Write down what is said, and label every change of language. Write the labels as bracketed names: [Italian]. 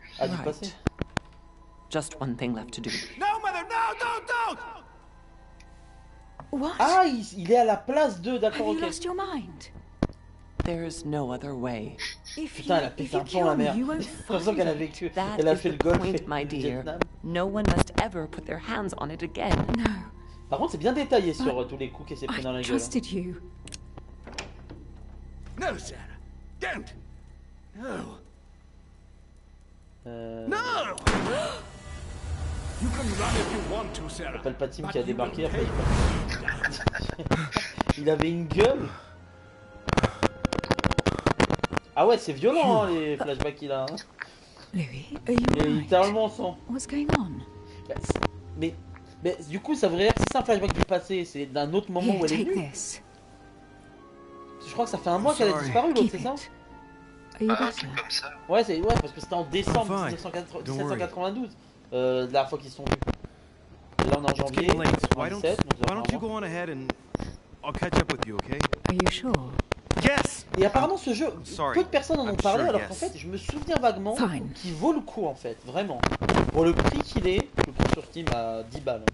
[French] A du passé. [English] Just one thing left to do. No, mother, no, don't! What? [French] Ah, il est à la place d'eux, d'accord, [English] ok. Have you lost your mind? There is no other way. [French] Putain, elle a pété un plomb, la mère. J'ai l'impression qu'elle a vécu. Elle a fait le golf et Vietnam. [English] No one must ever put their hands on it again. No. [French] Par contre, c'est bien détaillé sur tous les coups qu'elle s'est pris dans la gueule. [English] I trusted you. No, Sarah. Don't. No. No. You can run if you want to, Sarah. [French] C'est pas le Patim qui a débarqué après. Il avait une gueule. Ah ouais, c'est violent, hein, les flashbacks qu'il a. Hein. Louis, littéralement sans. [English] What's going on? [French] Mais du coup, ça voudrait dire que c'est un flashback du passé, c'est d'un autre moment [English] here, [French] où elle est venue. Je crois que ça fait un mois qu'elle a disparu, l'autre, c'est ça? Ah, comme ça. Ouais, c'est ouais, parce que c'était en décembre 1792, la dernière fois qu'ils sont venus. Et là, on est en janvier 2017. [English] Why don't you go on ahead and I'll catch up with you, okay? Are you sure? Yes. [French] Et apparemment ce jeu, peu de personnes en ont parlé, sure, alors qu'en fait je me souviens vaguement qu'il vaut le coup en fait, vraiment. Pour le prix qu'il est, je le prends sur Steam à 10 balles.